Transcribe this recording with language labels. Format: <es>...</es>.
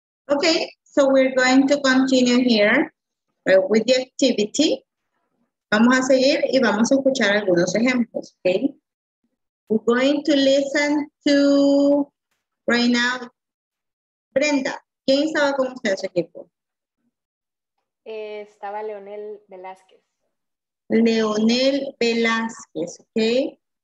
<en>Okay, so we're going to continue here with the activity.</en> <es>Vamos a seguir y vamos a escuchar algunos ejemplos, okay?</es> <en>We're going to listen to, right now, Brenda.</en> <es>¿Quién estaba con usted en su equipo? Estaba Leonel Velázquez. Leonel Velázquez, okay?</es>